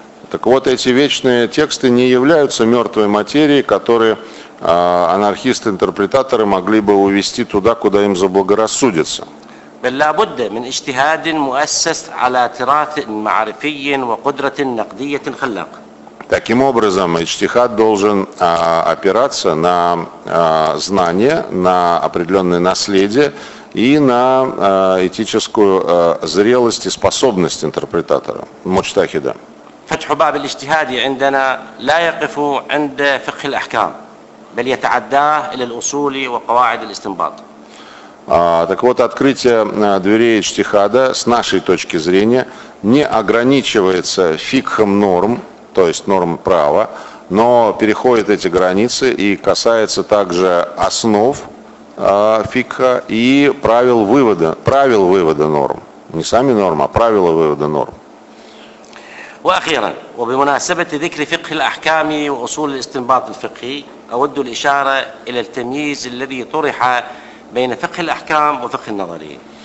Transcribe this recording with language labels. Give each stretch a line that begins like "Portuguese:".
Russian: Так вот, эти вечные тексты не являются мертвой материей, которые анархисты-интерпретаторы могли бы увести туда, куда им заблагорассудится.
Arabic: بل لا بد من اجتهاد مؤسس على تراث معرفي وقدرة نقدية خلاق.
Russian: Таким образом, иджтихад должен опираться на знания, на определенное наследие и на этическую зрелость и способность интерпретатора, мучтахида.
Arabic: فتح باب الاجتهاد عندنا لا يقف عند فقه الأحكام، بل يتعداه إلى الأصول وقواعد الاستنباط.
Russian: Так вот, открытие дверей иджтихада, с нашей точки зрения, не ограничивается фикхом норм, то есть норм права, но переходит эти границы и касается также основ фикха и правил вывода норм. Не сами нормы, а правила вывода норм.
Arabic: وأخيرا وبمناسبة ذكر فقه الأحكام وأصول الاستنباط الفقهي أود الإشارة إلى التمييز الذي طرح بين فقه الأحكام وفقه النظري.